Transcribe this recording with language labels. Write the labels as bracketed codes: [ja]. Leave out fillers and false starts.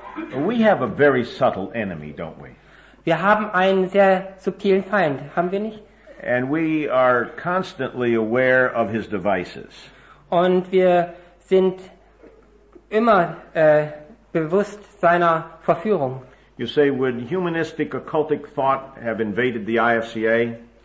[en] We have a very subtle enemy, don't we? [de] Wir haben einen sehr subtilen Feind, haben wir nicht? [en] And we are constantly aware of his devices. [de] Und wir sind immer bewusst seiner Verführung. [en] You say, would humanistic occultic thought have invaded the IFCA?